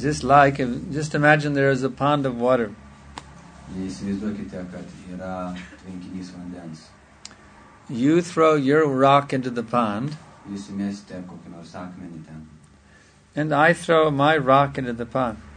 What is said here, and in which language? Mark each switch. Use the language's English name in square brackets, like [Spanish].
[English] Just like, just imagine there is a pond of water. [Lithuanian] Įsivaizduokite, kad yra tvenkinys vandens. [English] You throw your rock into the pond. [Lithuanian] Jūs įmesite kokį nors akmenį ten. [English] And I throw my rock into the pond.